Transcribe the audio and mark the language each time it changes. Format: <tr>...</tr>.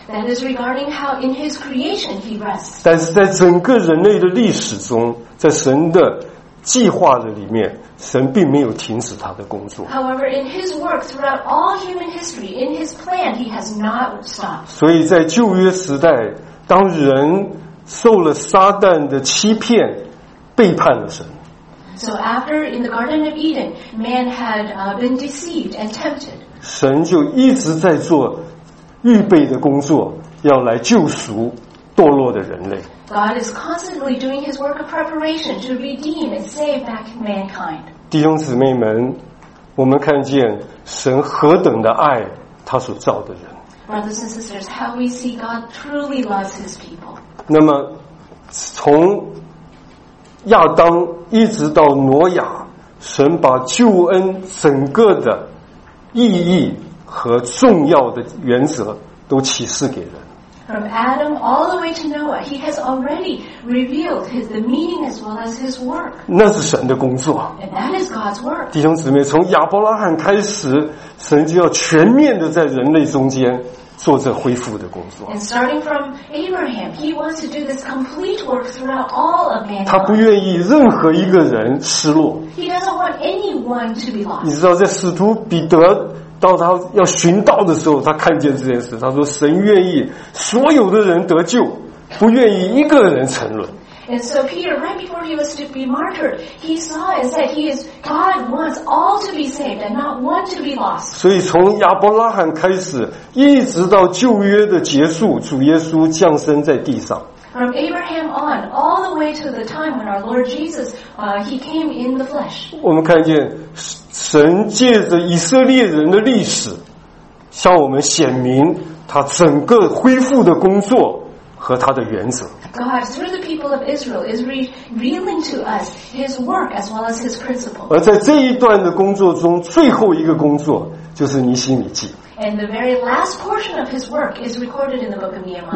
<en>That is regarding how in his creation he rests.</en> <zh>但是在整个人类的历史中，在神的计划的里面，神并没有停止他的工作。</zh> <en>However, in his work throughout all human history, in his plan, he has not stopped.</en> <zh>所以在旧约时代，当人受了撒旦的欺骗，背叛了神。</zh> <en>So after in the Garden of Eden, man had been deceived and tempted.</en> <zh>神就一直在做预备的工作，要来救赎堕落的人类。</zh> <en>God is constantly doing his work of preparation to redeem and save back mankind.</en> <zh>弟兄姊妹们，我们看见神何等的爱他所造的人。</zh> <en>Brothers and sisters, how we see God truly loves his people.</en> <zh>那么从亚当一直到挪亚，神把救恩整个的意义和重要的原则都启示给人。</zh> <en>From Adam all the way to Noah, he has already revealed the meaning as well as his work.</en> <zh>那是神的工作。</zh> <en>And that is God's work.</en> <zh>弟兄姊妹，从亚伯拉罕开始，神就要全面的在人类中间做这恢复的工作。</zh> <en>And starting from Abraham, he wants to do this complete work throughout all of mankind.</en> <zh>他不愿意任何一个人失落。</zh> <en>He doesn't want anyone to be lost.</en> <zh>你知道，在使徒彼得到他要寻道的时候，他看见这件事，他说：“神愿意所有的人得救，不愿意一个人沉沦。”</zh> <en>And so Peter, right before he was to be martyred, he saw and said, "He is God wants all to be saved and not one to be lost."</en> <zh>所以从亚伯拉罕开始，一直到旧约的结束，主耶稣降生在地上。</zh> <en>From Abraham on, all the way to the time when our Lord Jesus, he came in the flesh.</en> <zh>我们看见神借着以色列人的历史，向我们显明他整个恢复的工作和他的原则。</zh> <en>God through the people of Israel is revealing to us His work as well as His principle.</en> <zh>而在这一段的工作中，最后一个工作就是尼希米记。</zh> <en>And the very last portion of His work is recorded in the book of Nehemiah.</en>